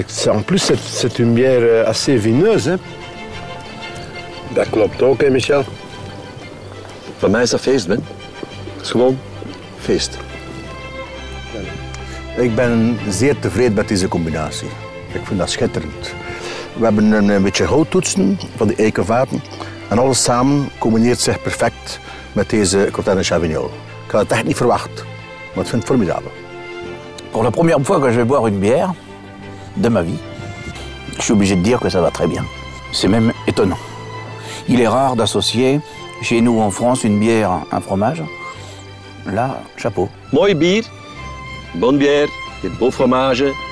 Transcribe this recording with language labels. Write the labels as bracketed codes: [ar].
[fr] En plus, c'est une bière assez vineuse. [nl] Hein. Dat klopt ook, hein, Michel. Voor mij is dat feest, Ben. Het is gewoon feest. Ik ben zeer tevreden met deze combinatie. Ik vind dat schitterend. We hebben een beetje houttoetsen van de eikenvaten. En alles samen combineert zich perfect met deze Crottin de Chavignol. Ik had het echt niet verwacht, maar ik vind het formidabel. Voor de [fr] première fois que je vais boire une bière de ma vie, je suis obligé de dire que ça va très bien. C'est même étonnant. Il est rare d'associer chez nous en France une bière, un fromage. Là, chapeau. [nl] Mooi bier, [fr] bonne bière, et beau fromage.